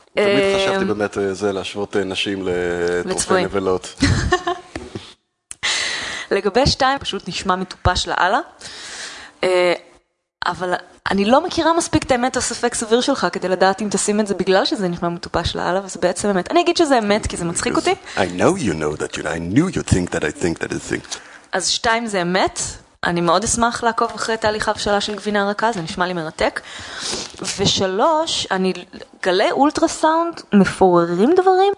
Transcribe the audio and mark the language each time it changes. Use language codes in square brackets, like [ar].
[he] תמיד חשבתי באמת זה להשוות נשים לטרופי נבלות. לגבי שתיים, פשוט נשמע מטופש לאללה. אבל אני לא מכירה מספיק את האמת או ספק סביר שלך כדי לדעת אם תשים את זה בגלל שזה נשמע מטופש לאללה, וזה בעצם אמת. אני אגיד שזה אמת כי זה מצחיק אותי. [en] I know you know that you know. I knew you think that I think that it's think. [he] אז שתיים זה אמת. אני מאוד אשמח לעקוב אחרי תהליך ההבשלה של גבינה רכה, זה נשמע לי מרתק. ושלוש, אני גלי אולטרסאונד מפוררים דברים.